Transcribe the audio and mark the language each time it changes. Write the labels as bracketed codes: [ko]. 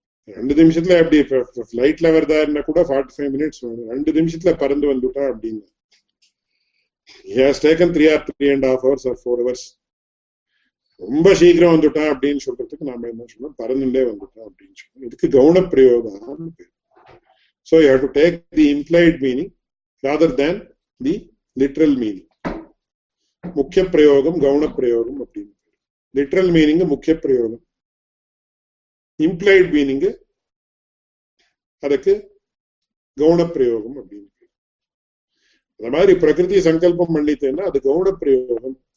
[ta] 2 நிமிஷத்துல எப்படி ஃபிளைட்ல வருதா இருந்தா கூட 45 மினிட்ஸ் வரும், 2 நிமிஷத்துல பறந்து வந்துட்டா அப்படின்னு. [en] He has taken 3 or 3.5 hours or 4 hours. [ta] ரொம்ப சீக்கிரம் வந்துட்டா அப்படின்னு சொல்றதுக்கு நாம என்ன சொல்லணும், பறந்துட்டே வந்துட்டா அப்படின்னு சொல்லணும். இதுக்கு கவுன பிரயோகம். [en] So you have to take the implied meaning rather than the literal meaning. [ta] முக்கிய பிரயோகம் கவுன பிரயோகம் அப்படின்னு, லிட்ரல் மீனிங் முக்கிய பிரயோகம், இம்ப்ளைட் மீனிங் அதுக்கு கவுன பிரயோகம் அப்படின்னு. அந்த மாதிரி பிரகிருதி சங்கல்பம் பண்ணிட்டேன்னா அது கவுன பிரயோகம்.